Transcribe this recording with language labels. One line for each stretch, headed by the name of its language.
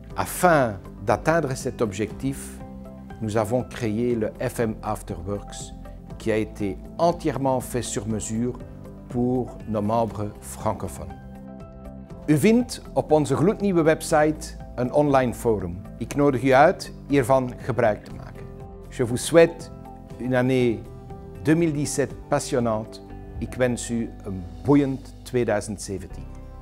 French: Afin d'atteindre cet objectif, nous avons créé le FM Afterworks qui a été entièrement fait sur mesure pour nos membres francophones.
Dutch: U vindt op onze gloednieuwe website een online forum. Ik nodig u uit hiervan gebruik te maken.
French: Je vous souhaite une année 2017 passionnante.
Dutch: Ik wens u een boeiend 2017.